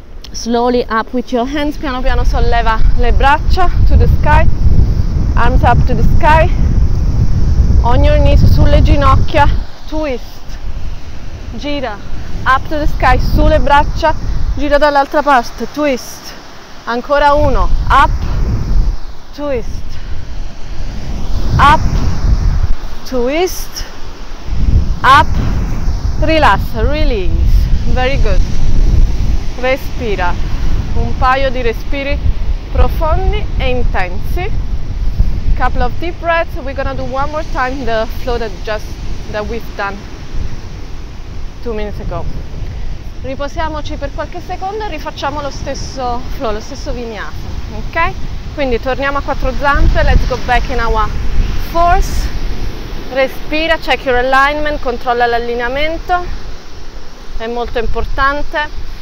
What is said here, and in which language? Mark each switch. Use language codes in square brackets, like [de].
[en] Slowly up with your hands, [it] piano piano solleva le braccia [en] to the sky, arms up to the sky, on your knees, [it] sulle ginocchia, [en] twist, [it] gira, [en] up to the sky, [it] sulle braccia, gira dall'altra parte, [en] twist, [it] ancora uno, [en] up, twist, up, twist, up, relax, release, very good. [it] Respira, un paio di respiri profondi e intensi. [en] Couple of deep breaths, we're gonna do one more time the flow that we've done 2 minutes ago. [it] Riposiamoci per qualche secondo e rifacciamo lo stesso flow, lo stesso vinyasa, ok? Quindi torniamo a quattro zampe, [en] let's go back in our fours. [it] Respira, [en] check your alignment, [it] controlla l'allineamento, è molto importante.